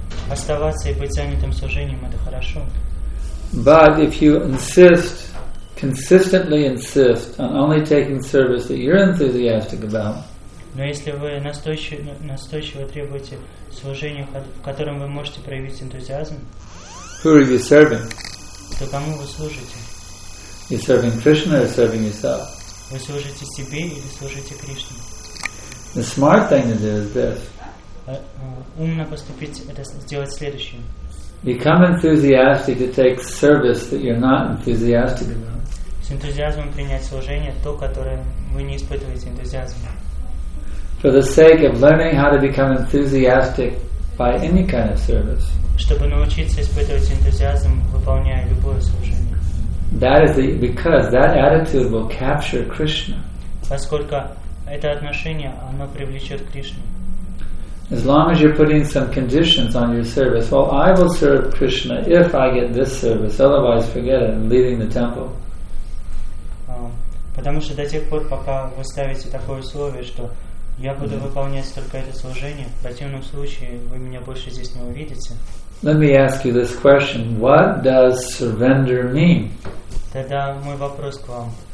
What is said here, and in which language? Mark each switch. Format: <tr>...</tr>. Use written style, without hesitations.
<ru>Оставаться и быть занятым служением, это хорошо.</ru> <en>But if you consistently insist on only taking service that you're enthusiastic about,</en> <ru>но если вы настойчиво требуете служения, в котором вы можете проявить энтузиазм,</ru> <en>who are you serving?</en> <ru>То кому вы служите?</ru> <en>You're serving Krishna or serving yourself?</en> <ru>Вы служите себе или служите Кришне?</ru> <en>The smart thing to do is this.</en> <ru>Умно поступить это сделать следующее.</ru> <en>Become enthusiastic to take service that you're not enthusiastic about.</en> <ru>С энтузиазмом принять служение, то, которое вы не испытываете энтузиазма.</ru> <en>For the sake of learning how to become enthusiastic by any kind of service.</en> <ru>Чтобы научиться испытывать энтузиазм, выполняя любое служение.</ru> <en>That is the, because that attitude will capture Krishna.</en> <ru>Поскольку это отношение, оно привлечет Кришну.</ru> <en>As long as you're putting some conditions on your service, well, I will serve Krishna if I get this service, otherwise forget it, I'm leaving the temple.</en> <ru>Потому что до тех пор, пока вы ставите такое условие, что я буду выполнять только это служение, в противном случае вы меня больше здесь не увидите.</ru> <en>Let me ask you this question. What does surrender mean?</en> <ru>Тогда мой вопрос к вам.</ru>